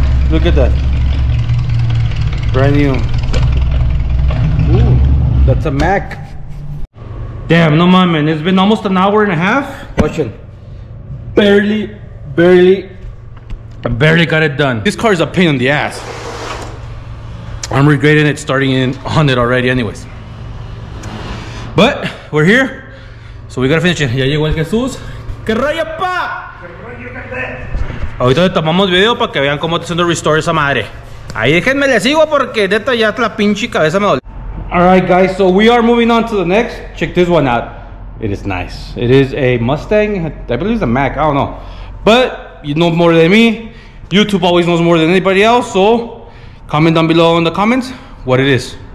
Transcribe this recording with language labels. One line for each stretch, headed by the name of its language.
English: Look at that. Brand new. Ooh, that's a Mac. Damn, no mind, man. It's been almost an hour and a half. Question. I barely got it done. This car is a pain in the ass. I'm regretting it starting in on it already anyways. But we're here. So we gotta finish it.
Spanish: Ya llegó el Jesús. ¿Qué rayo, pa? Ahorita le tomamos video para que vean cómo está haciendo restore esa madre. Ahí déjenme le sigo porque neta ya la pinche cabeza me duele.
English: Alright guys, so we are moving on to the next. Check this one out. It is nice. It is a Mustang. I believe it's a Mac. I don't know. But you know more than me. YouTube always knows more than anybody else, so comment down below in the comments what it is.